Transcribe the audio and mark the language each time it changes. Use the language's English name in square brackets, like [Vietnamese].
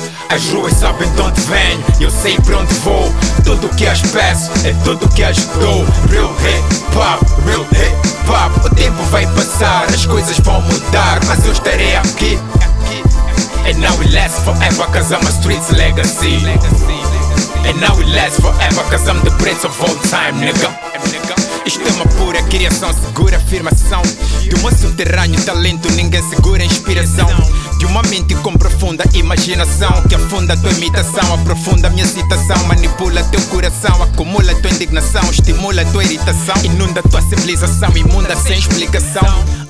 [Portuguese] As ruas sabem de onde venho, eu sei para onde vou. Tudo o que as peço é tudo o que as dou. [English] Real hip hop, real hip hop. [Portuguese] O tempo vai passar, as coisas vão mudar, mas eu estarei aqui. [English] And now we last forever, cause I'm a street's legacy. And now we last forever, cause I'm the prince of all time, nigga. [Portuguese] Isto é uma pura criação, segura afirmação. De um subterrâneo talento, ninguém segura a inspiração. De uma mente com profunda imaginação, que afunda a tua imitação, aprofunda a minha citação. Manipula teu coração, acumula tua indignação, estimula tua irritação, inunda tua civilização, imunda sem explicação.